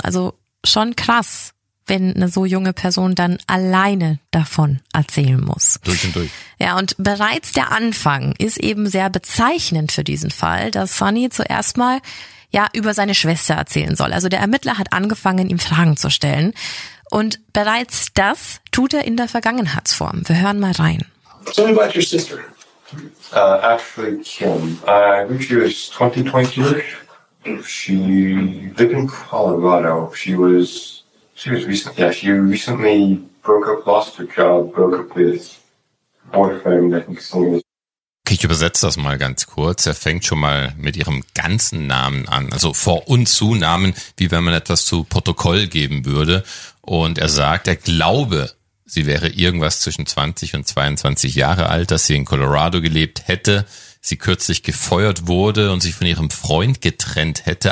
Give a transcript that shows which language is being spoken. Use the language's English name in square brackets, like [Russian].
[German] Also schon krass, wenn eine so junge Person dann alleine davon erzählen muss. Durch und durch. Ja, und bereits der Anfang ist eben sehr bezeichnend für diesen Fall, dass Sunny zuerst mal ja über seine Schwester erzählen soll. Also der Ermittler hat angefangen, ihm Fragen zu stellen. Und bereits das tut er in der Vergangenheitsform. Wir hören mal rein. [English] Tell me about your sister. Ashley Kim. I think she was 2020-ish. She lived in Colorado. She recently broke up, lost her job, broke up with boyfriend, I think something. [German] Ich übersetze das mal ganz kurz. Er fängt schon mal mit ihrem ganzen Namen an, also Vor- und Zunamen, wie wenn man etwas zu Protokoll geben würde. Und er sagt, er glaube, sie wäre irgendwas zwischen 20 und 22 Jahre alt, dass sie in Colorado gelebt hätte, sie kürzlich gefeuert wurde und sich von ihrem Freund getrennt hätte.